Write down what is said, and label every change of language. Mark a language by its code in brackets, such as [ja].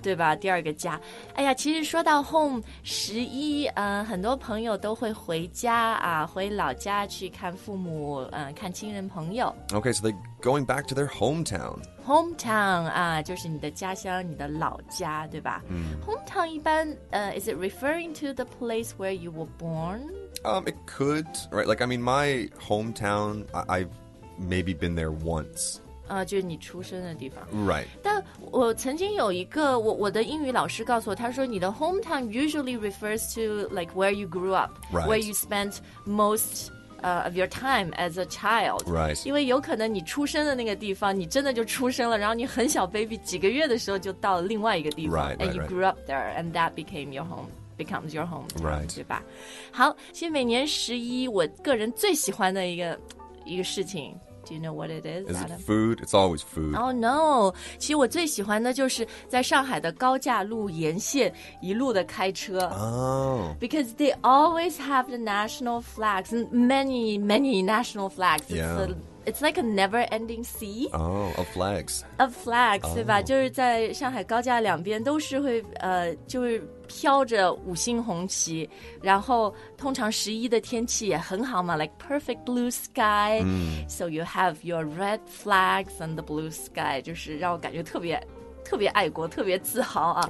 [zh] 对吧第二个家哎呀其实说到 home 十一、很多朋友都会回家啊，回老家去看父母、看亲人朋友 [en] Okay so they're going back to their hometown [zh] Hometown, 啊、就是你的家乡你的老家对吧、 mm. [en] Hometown [zh] 一般、 [en] is it referring to the place where you were born?、 it could, right? Like, I mean, my hometown, I've maybe been there once. [zh] 就是你出生的地方 [en] Right [zh] 但我曾经有一个 我的英语老师告诉我他说你的 [en] hometown usually refers to like where you grew up、 right. Where you spent mostof your time as a child. Right. [zh] 因为有可能你出生的那个地方你真的就出生了然后你很小 baby 几个月的时候就到了另外一个地方 [en] right, And right, you grew up there and that became your home, becomes your home. Right. [zh] 对吧好其实每年十一我个人最喜欢的一个事情 [en] Do you know what it is? Is it food? It's always food. Oh no. [zh] 其实我最喜欢的就是在上海的高架路沿线一路的开车 [en] Oh. Because they always have the national flags, many, many national flags. Yeah. It's like a never-ending sea. Oh, of flags. Of flags,、oh. [zh] 对吧？就是在上海高架两边都是会就是飘着五星红旗。然后通常十一的天气也很好嘛 ， [en] like perfect blue sky.、 Mm. So you have your red flags and the blue sky, [zh] 就是让我感觉特别特别爱国，特别自豪啊。